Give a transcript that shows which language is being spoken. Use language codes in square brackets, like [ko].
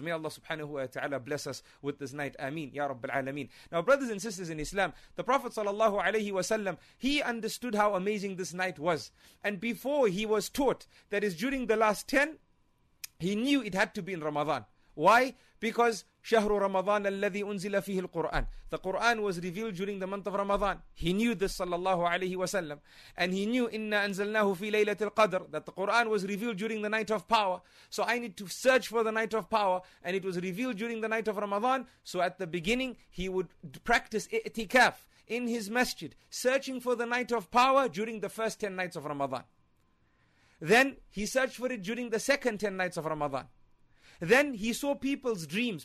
[en] May Allah subhanahu wa ta'ala bless us with this night. Ameen. Ya Rabbil Alameen. Now, brothers and sisters in Islam, the Prophet sallallahu alayhi wa sallam, he understood how amazing this night was. And before he was taught, that is during the last 10, he knew it had to be in Ramadan. Why? Because [ar] شهر رمضان الذي أنزل فيه القرآن. [en] The Quran was revealed during the month of Ramadan. He knew this [ar] صلى الله عليه وسلم. [en] And he knew [ar] إنا أنزلناه في ليلة القدر. [en] That the Quran was revealed during the night of power. So I need to search for the night of power. And it was revealed during the night of Ramadan. So at the beginning, he would practice i'tikaf in his masjid, searching for the night of power during the first 10 nights of Ramadan. Then he searched for it during the second 10 nights of Ramadan. Then he saw people's dreams.